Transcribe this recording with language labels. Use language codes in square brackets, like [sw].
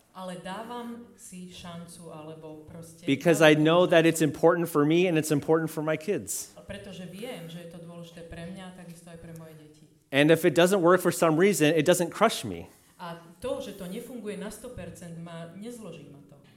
[sk] Ale dávam si šancu, alebo proste. [en] Because I know that it's important for me and it's important for my kids. [sk] Pretože viem, že je to dôležité pre mňa, takisto aj pre moje deti. [en] And if it doesn't work for some reason, it doesn't crush me. [sk] A to, že to nefunguje na 100%, ma nezloží ma to.